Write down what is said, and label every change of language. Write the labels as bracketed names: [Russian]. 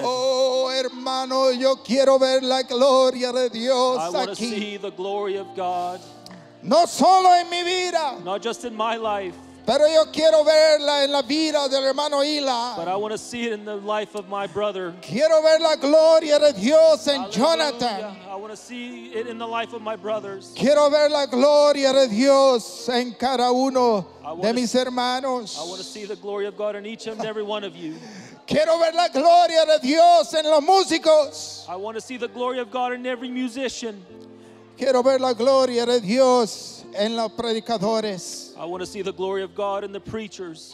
[Spanish] Oh, hermano, yo quiero ver la gloria de Dios aquí. [English] I want to see the glory of God. [Spanish] No solo en mi vida. [English] Not just in my life. [Spanish] Pero yo quiero verla en la vida del hermano Ila. [English] But I want to see it in the life of my brother. [Spanish] Quiero ver la gloria de Dios en Jonathan. [English] I want to see it in the life of my brothers. [Spanish] Quiero ver la gloria de Dios en cada uno de mis hermanos. [English] I want to see the glory of God in each and every one of you. [Spanish] Quiero ver la gloria de Dios en los músicos. [English] I want to see the glory of God in every musician. [Spanish] Quiero ver la gloria de Dios en los predicadores. [English] I want to see the glory of God in the preachers.